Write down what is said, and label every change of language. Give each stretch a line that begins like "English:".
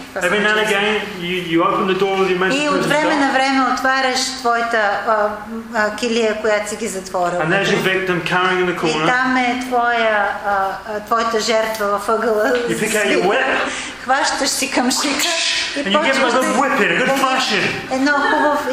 English: Every now and again, you open the door of your mental.
Bulgarian: И от време на време отваряш твоята килия, която си ги затворил.
English: And there's your victim carrying in the corner.
Bulgarian: И там е твоята жертва в ъгъла.
English: You pick out your whip.
Bulgarian: Хващаш си камшика.
English: And you give him a good whipping, a good thrashing.